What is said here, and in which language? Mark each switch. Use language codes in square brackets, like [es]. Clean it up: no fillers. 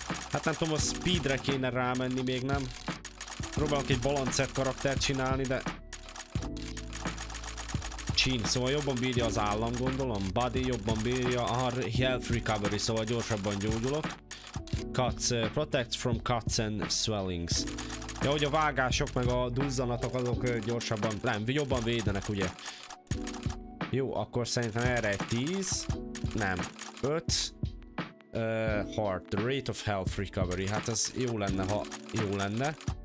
[hu] Hát nem tudom, a speedre kéne rámenni, még nem. Próbálok egy balancert karaktert csinálni, de... Chin, szóval jobban bírja az állam, gondolom. Body jobban bírja, health recovery, szóval gyorsabban gyógyulok. [en] cuts, protect from cuts and swellings. [hu] Ja, hogy a vágások meg a duzzanatok azok gyorsabban, nem, jobban védenek, ugye? Jó, akkor szerintem erre 10, nem, 5, heart, [en] rate of health recovery, [hu] hát ez jó lenne, ha jó lenne.